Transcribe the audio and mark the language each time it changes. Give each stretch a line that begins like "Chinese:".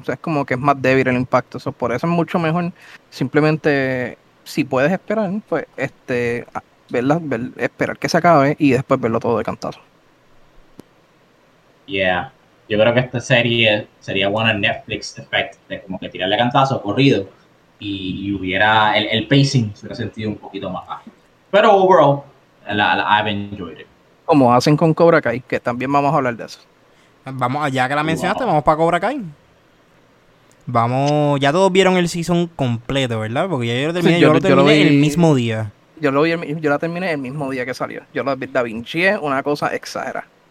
Spanish: O sea, es como que es más débil el impacto. Eso, por eso es mucho mejor. Simplemente, si puedes esperar, pues, esperar que se acabe y después verlo todo de cantazo.
English: Yeah.
Spanish: Yo creo que esta serie sería buena Netflix effect, de como que tirarle cantazo, corrido. Y hubiera el pacing, se hubiera sentido un poquito más bajo. Pero
English: overall, I've enjoyed it.
Spanish: Como hacen con Cobra Kai, que también vamos a hablar de eso. Vamos, ya que la mencionaste, wow. Vamos para Cobra Kai. Vamos, ya todos vieron el season completo, ¿verdad? Porque ya yo lo terminé, sí, yo lo terminé, yo lo vi el mismo día. Yo la terminé el mismo día que salió. Yo la vi, da Vinci, una cosa exagerada.